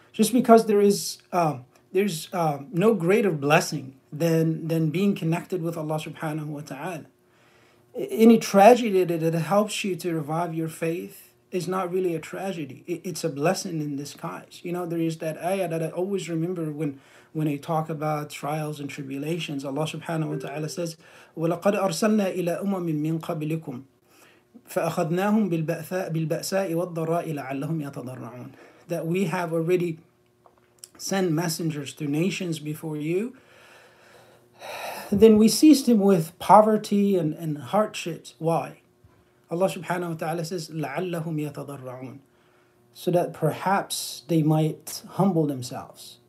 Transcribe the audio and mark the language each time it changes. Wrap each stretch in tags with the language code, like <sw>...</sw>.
<en>Just because there's no greater blessing than being connected with Allah subhanahu wa ta'ala. Any tragedy that helps you to revive your faith is not really a tragedy. It's a blessing in disguise. You know, there is that ayah that I always remember when I talk about trials and tribulations. Allah subhanahu wa ta'ala says,</en> <ar>وَلَقَدْ أَرْسَلْنَا إِلَىٰ أُمَمٍ مِّن قَبْلِكُمْ فَأَخَذْنَاهُمْ بِالْبَأْسَاءِ وَالضَّرَّاءِ لَعَلَّهُمْ يَتَضَرَّعُونَ.</ar> <en>That we have already sent messengers to nations before you. Then we seized him with poverty and hardships. Why? Allah subhanahu wa ta'ala says,</en> <ar>لَعَلَّهُمْ يَتَضَرَّعُونَ.</ar> <en>So that perhaps they might humble themselves.</en>